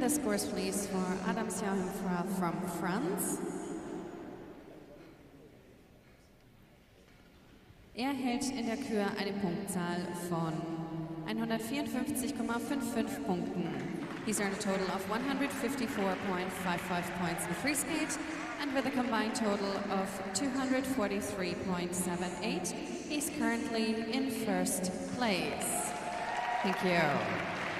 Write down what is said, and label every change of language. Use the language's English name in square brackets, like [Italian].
[English] The scores please for Adam Siao from France. [German] Hält in der Kür eine Punktzahl von 154,55 Punkten. [English] He's earned a total of 154.55 points in free skate, and with a combined total of 243.78, he's currently in first place. Thank you.